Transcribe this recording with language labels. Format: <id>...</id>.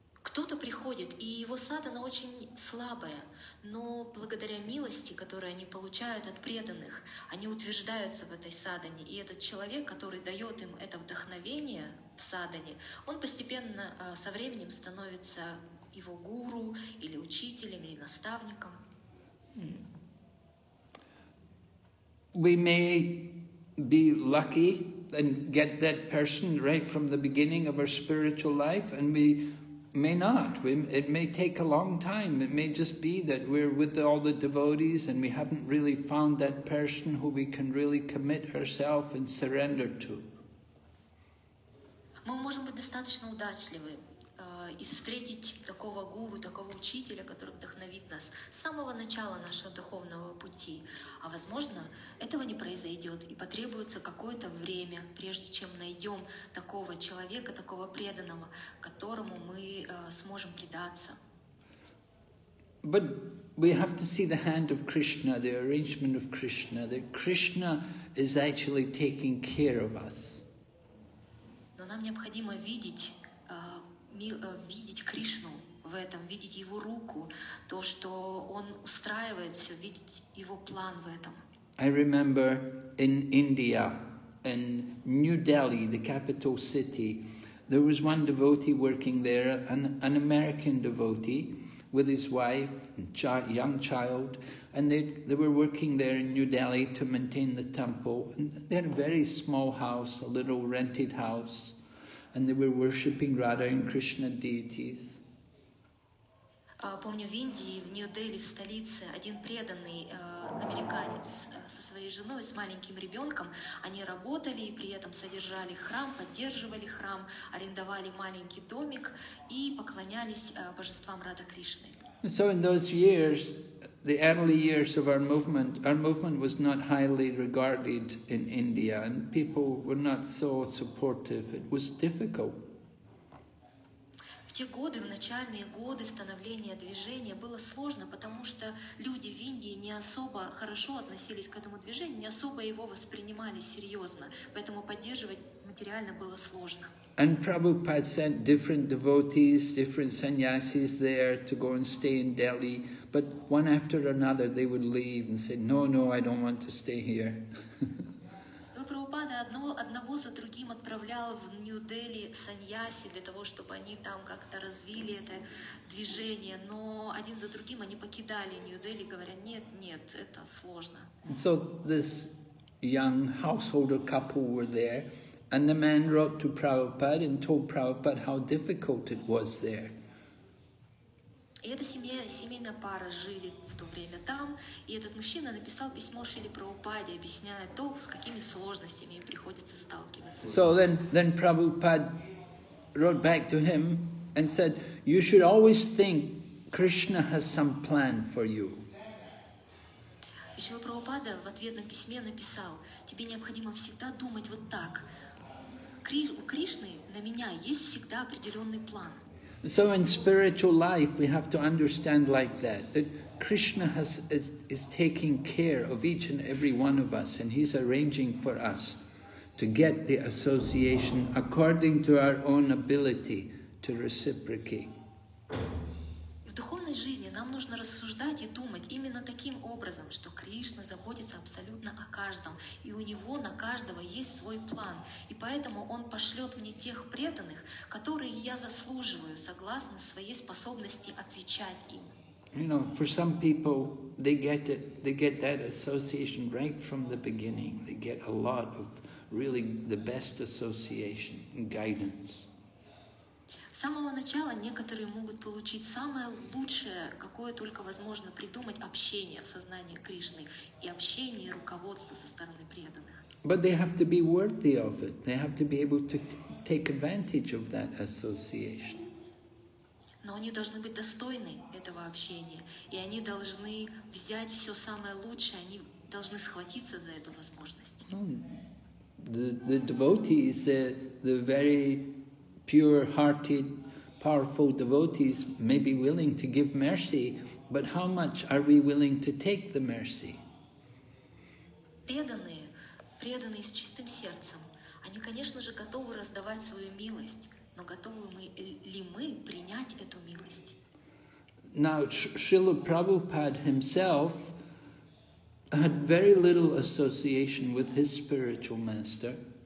<ru>Кто-то приходит, и его садхана очень слабая, но благодаря милости, которую они получают от преданных, они утверждаются в этой садхане, и этот человек, который дает им это вдохновение в садхане, он постепенно со временем становится его гуру или учителем или наставником.</ru> <en>We may be lucky and get that person right from the beginning of our spiritual life, and we may not. It may take a long time. It may just be that we're with all the devotees and we haven't really found that person who we can really commit ourselves and surrender to.</en> <ru>Мы можем быть достаточно удачливы и встретить такого гуру, такого учителя, который вдохновит нас с самого начала нашего духовного пути. А возможно, этого не произойдет, и потребуется какое-то время, прежде чем найдем такого человека, такого преданного, которому мы сможем предаться.</ru> <en>But we have to see the hand of Krishna, the arrangement of Krishna, that Krishna is actually taking care of us.</en> <ru>Но нам необходимо видеть видеть Кришну в этом, видеть его руку, то, что он устраивает все, видеть его план в этом.</ru> <en>I remember in India, in New Delhi, the capital city, there was one devotee working there, an American devotee with his wife, young child, and they were working there in New Delhi to maintain the temple. And they had a very small house, a little rented house, and they were worshipping Radha and Krishna deities.</en> <ru>Помню, в Индии, в Нью-Дели, в столице, один преданный американец со своей женой, с маленьким ребенком, они работали и при этом содержали храм, поддерживали храм, арендовали маленький домик и поклонялись божествам Радха Кришны.</ru> <en>So in those years, the early years of our movement was not highly regarded in India, and people were not so supportive. It was difficult.</en> <ru>В те годы, в начальные годы становления движения было сложно, потому что люди в Индии не особо хорошо относились к этому движению, не особо его воспринимали серьезно, поэтому поддерживать материально было сложно.</ru> <en>And Prabhupada sent different devotees, different sannyasis there to go and stay in Delhi, but one after another they would leave and say, no, no, I don't want to stay here.</en> <ru>Прабхупада одного за другим отправлял в Нью-Дели саньяси для того, чтобы они там как-то развили это движение, но один за другим они покидали Нью-Дели, говоря, нет, нет, это сложно.</ru> <en>So this young householder couple were there, and the man wrote to Prabhupada and told Prabhupada how difficult it was there.</en> <ru>И эта семейная пара жили в то время там, и этот мужчина написал письмо Шриле Прабхупаде, объясняя то, с какими сложностями им приходится сталкиваться.</ru> <en>So then Prabhupada wrote back to him and said, you should always think Krishna has some plan for you.</en> <ru>И Шрила Прабхупада в ответном письме написал, тебе необходимо всегда думать вот так. У Кришны на меня есть всегда определенный план.</ru> <en>So in spiritual life, we have to understand like that, that Krishna is taking care of each and every one of us, and he's arranging for us to get the association according to our own ability to reciprocate.</en> <ru>В духовной жизни нам нужно рассуждать и думать именно таким образом, что Кришна заботится абсолютно о каждом, и у него на каждого есть свой план, и поэтому он пошлет мне тех преданных, которые я заслуживаю, согласно своей способности отвечать им.</ru> <en>You know, for some people, they get it, they get that association right from the beginning. They get a lot of really the best association and guidance.</en> <ru>самого начала некоторые могут получить самое лучшее, какое только возможно придумать, общение в сознании Кришны и общение и руководство со стороны преданных.</ru> <en>But they have to be worthy of it. They have to be able to take advantage of that association.</en> <ru>Но они должны быть достойны этого общения, и они должны взять все самое лучшее, они должны схватиться за эту возможность.</ru> <en>The devotee is the very pure-hearted, powerful devotees may be willing to give mercy, but how much are we willing to take the mercy?</en> <ru>Преданные, преданные с чистым сердцем, они, конечно же, готовы раздавать свою милость, но готовы ли мы принять эту милость?</ru> <en>Now, Srila Prabhupada himself had very little association with his spiritual master.</en>